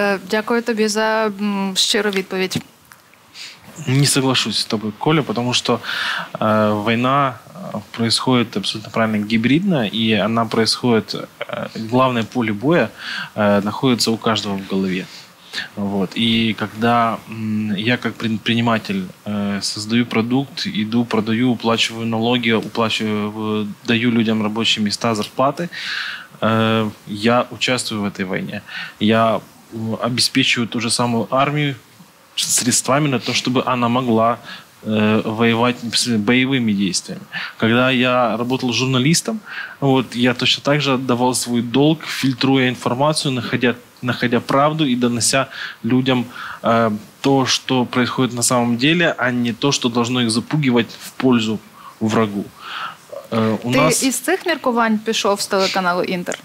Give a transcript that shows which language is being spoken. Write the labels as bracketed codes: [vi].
[uk] Дякую тобі за щиру відповідь. [ru] Не соглашусь з тобою, Коля, [uk] тому що війна [ru] происходит абсолютно правильно гибридно, и она происходит, главное поле боя находится у каждого в голове. Вот. И когда я как предприниматель создаю продукт, иду, продаю, уплачиваю налоги, даю людям рабочие места, зарплаты, я участвую в этой войне. Я обеспечиваю ту же самую армию средствами на то, чтобы она могла воевать боевыми действиями. Когда я работал журналистом, вот, я точно так же отдавал свой долг, фильтруя информацию, находя правду и донося людям то, что происходит на самом деле, а не то, что должно их запугивать в пользу врагу. [uk] Из цих міркувань пішов з телеканалу «Інтер»?